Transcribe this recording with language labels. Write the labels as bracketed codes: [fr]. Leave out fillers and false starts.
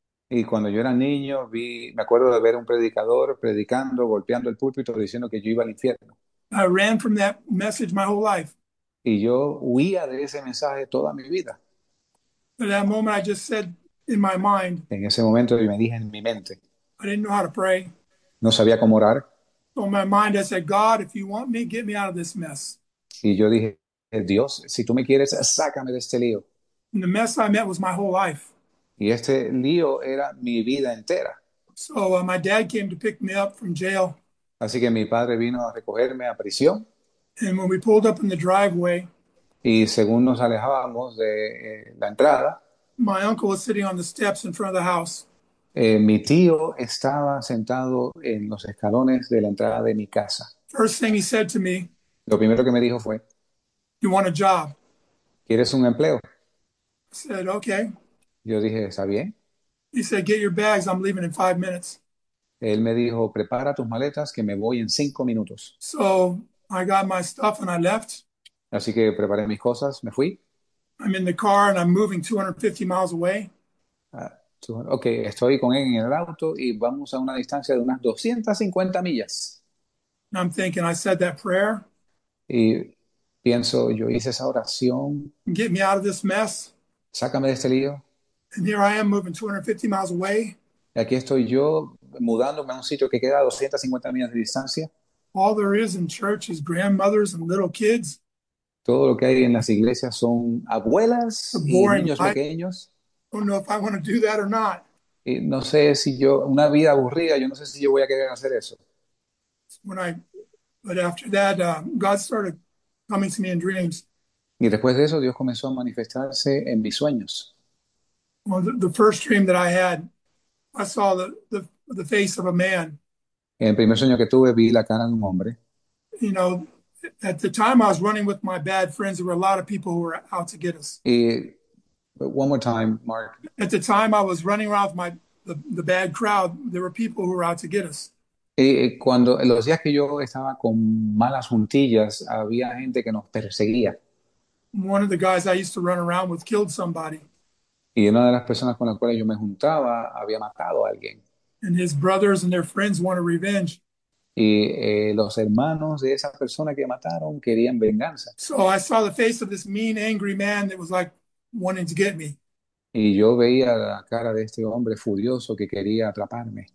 [es] Y cuando yo era niño, me acuerdo de ver un predicador predicando, golpeando el púlpito, diciendo que yo iba al infierno. [en] I ran from that message my whole life. [es] Y yo huía de ese mensaje toda mi vida. [en] But at that moment I just said in my mind. [es] En ese momento yo me dije en mi mente. [en] I didn't know how to pray. [es] No sabía cómo orar. [en] So in my mind I said, God, if you want me, get me out of this mess. [es] Y yo dije, Dios, si tú me quieres, sácame de este lío. [en] And the mess I met was my whole life. [es] Y este lío era mi vida entera. [en] So my dad came to pick me up from jail. [es] Así que mi padre vino a recogerme a prisión. [en] And when we pulled up in the driveway, [es] Y según nos alejábamos de la entrada, [en] my uncle was sitting on the steps in front of the house. [es] mi tío estaba sentado en los escalones de la entrada de mi casa. [en] First thing he said to me, [es] Lo primero que me dijo fue, [en] "You want a job?" [es] ¿quieres un empleo? [en] I said, "Okay." [es] Yo dije, ¿está bien? [en] He said, "Get your bags, I'm leaving in 5 minutes." [es] Él me dijo, prepara tus maletas que me voy en 5 minutos. [en] So I got my stuff and I left. [es] Así que preparé mis cosas, me fui. [en] I'm in the car and I'm moving 250 miles away. [es] Ok, estoy con él en el auto y vamos a una distancia de unas 250 millas. [en] And I'm thinking, I said that prayer. [es] Y pienso, yo hice esa oración. [en] Get me out of this mess. [es] Sácame de este lío. [en] And here I am moving 250 miles away. [es] Y aquí estoy yo mudándome a un sitio que queda a 250 millas de distancia. [en] All there is in church is grandmothers and little kids. [es] Todo lo que hay en las iglesias son [en] A [es] abuelas y [en] boring [es] niños [en] life. [es] pequeños. [en] Don't know if I want to do that or not. [es] Y no sé si yo, una vida aburrida, yo no sé si yo voy a querer hacer eso. [en] But after that, God started coming to me in dreams. [es] Y después de eso, Dios comenzó a manifestarse en mis sueños. [en] Well, the first dream that I had, I saw the face of a man. [es] En el primer sueño que tuve, vi la cara de un hombre. [en] You know, at the time I was running with my bad friends, there were a lot of people who were out to get us. But one more time, Mark. At the time I was running around with the bad crowd, there were people who were out to get us. [es] Y cuando en los días que yo estaba con malas juntillas, había gente que nos perseguía. [en] One of the guys I used to run around with killed somebody. [es] Y una de las personas con las cuales yo me juntaba había matado a alguien. [en] And his brothers and their friends wanted revenge. [es] Y los hermanos de esa persona que mataron querían venganza. [en] So I saw the face of this mean, angry man that was like wanting to get me. [es] Y yo veía la cara de este hombre furioso que quería atraparme.